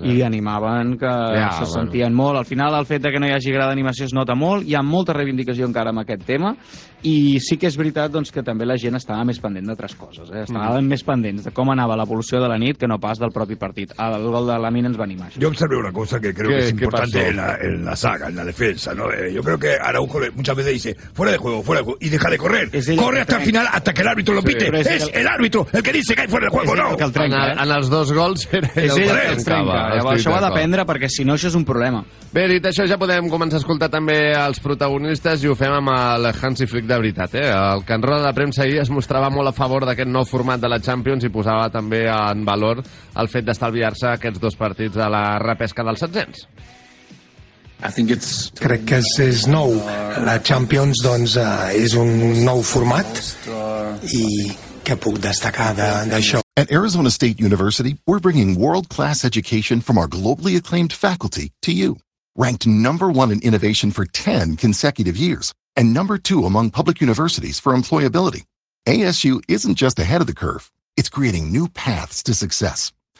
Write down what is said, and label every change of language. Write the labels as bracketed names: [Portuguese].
[Catalan] I animaven, que se sentien molt. Al final, el fet que no hi hagi grada d'animació es nota molt. Hi ha molta reivindicació encara amb aquest tema. I sí que és veritat doncs, que també la gent estava més pendent d'altres coses. Eh? Estaven més pendents de com anava l'evolució de la nit que no pas del propi partit. El gol de Lamine ens va animar. Jo observo una cosa que crec que és important en la saga, en la defensa. No? Jo crec que [Spanish] Araujo muchas veces dice fuera de juego y deja de correr, corre hasta el final hasta que el árbitro lo pite. Sí, es el árbitro el que dice que hay fuera de juego, no [Catalan] el trenca, en els dos gols és ell el que el trenca. Llavors, això ha d'aprendre, perquè si no això és un problema. Bé, dit això, ja podem començar a escoltar també els protagonistes, i ho fem amb el Hansi Flick de veritat, eh? El que en roda de premsa ahir es mostrava molt a favor d'aquest nou format de la Champions i posava també en valor el fet d'estalviar-se aquests dos partits de la repesca dels setzens. Crec que és nou. La Champions, doncs, és un nou format i què puc destacar d'això? [English] At Arizona State University, we're bringing world-class education from our globally acclaimed faculty to you. Ranked number one in innovation for 10 consecutive years and number two among public universities for employability, ASU isn't just ahead of the curve. It's creating new paths to success.